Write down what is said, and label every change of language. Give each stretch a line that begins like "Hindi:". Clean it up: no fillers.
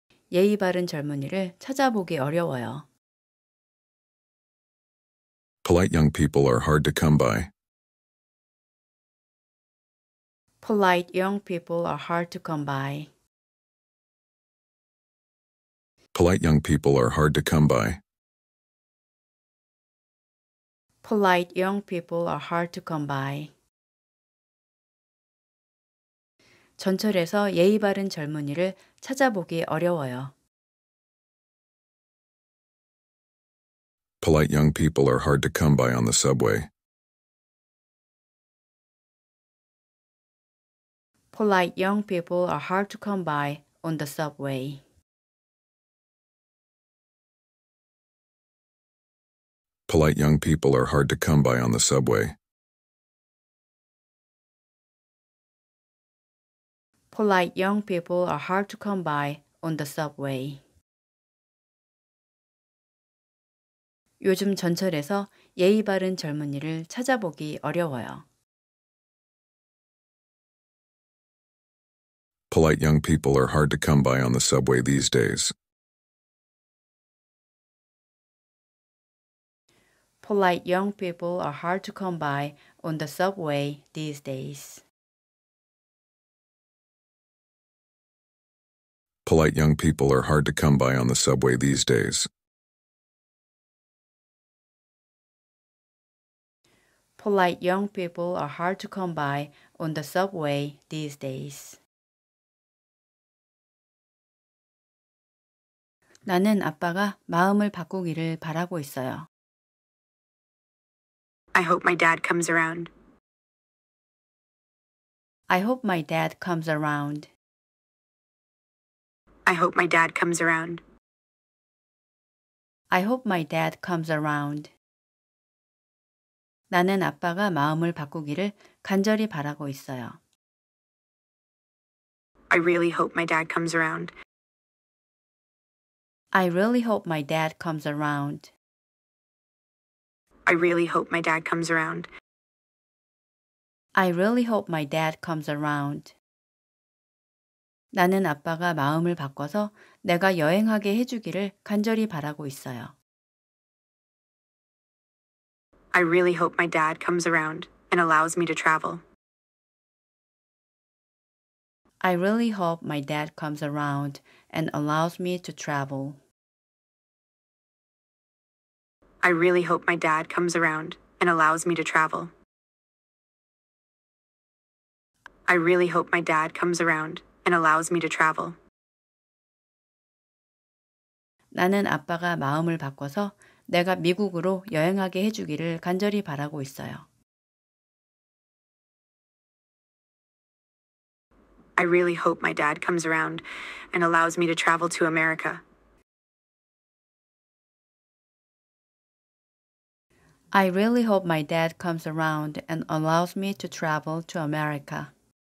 Korean: 예의 바른 젊은이를 찾아보기 어려워요.
English: Polite young people are hard to come by. Polite young people are hard to come by. Polite young people are hard to come by. Polite young people are hard to come by.
Korean: 전철에서 예의 바른 젊은이를 찾아보기 어려워요.
English: Polite young people are hard to come by on the subway. Polite young people are hard to come by on the subway. Polite young people are hard to come by on the subway. Polite young people are hard to come by on the subway.
Korean: 요즘 전철에서 예의 바른 젊은이를 찾아보기 어려워요.
English: Polite young people are hard to come by on the subway these days. Polite young people are hard to come by on the subway these days. Polite young people are hard to come by on the subway these days. Polite young people are hard to come by on the subway these days.
Korean: 나는 아빠가 마음을 바꾸기를 바라고 있어요.
English: I hope my dad comes around. I hope my dad comes around. I hope my dad comes around. I hope my dad comes around.
Korean: 나는 아빠가 마음을 바꾸기를 간절히 바라고 있어요.
English: I really hope my dad comes around. I really hope my dad comes around. I really hope my dad comes around. I really hope my dad comes around.
Korean: 나는 아빠가 마음을 바꿔서 내가 여행하게 해주기를 간절히 바라고 있어요.
English: I really hope my dad comes around and allows me to travel. I really hope my dad comes around and allows me to travel. I really hope my dad comes around and allows me to travel. I really hope my dad comes around and allows me to travel.
Korean: 나는 아빠가 마음을 바꿔서 내가 미국으로 여행하게 해주기를 간절히 바라고 있어요.
English: I really hope my dad comes around and allows me to travel to America. I really hope my dad comes around and allows me to travel to America.